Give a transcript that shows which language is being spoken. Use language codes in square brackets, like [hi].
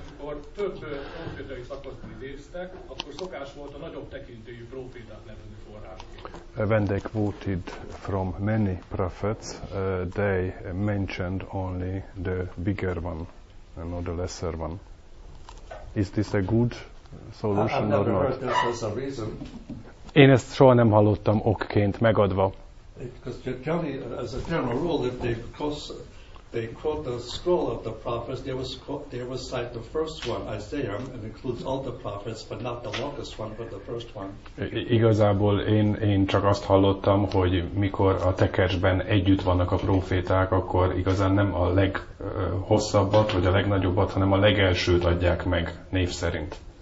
[hu] Amikor több profétai szakaszban idéztek, akkor szokás volt a nagyobb tekintélyű profétát nevezni forrásként. [en] When they quoted from many prophets, they mentioned only the bigger one, and not the lesser one. Is this a good solution or not? I've never heard this as a reason. [hu] Én ezt soha nem hallottam okként megadva. [en] Because generally, as a general rule, if they cause they quote the scroll of the prophets, they will cite the first one, Isaiah, and includes all the prophets, but not the longest one, but the first one. [hu] Igazából én csak azt hallottam, hogy mikor a tekercsben együtt vannak a proféták, akkor igazán nem a leghosszabbat, vagy a legnagyobbat, hanem a legelsőt adják meg név szerint.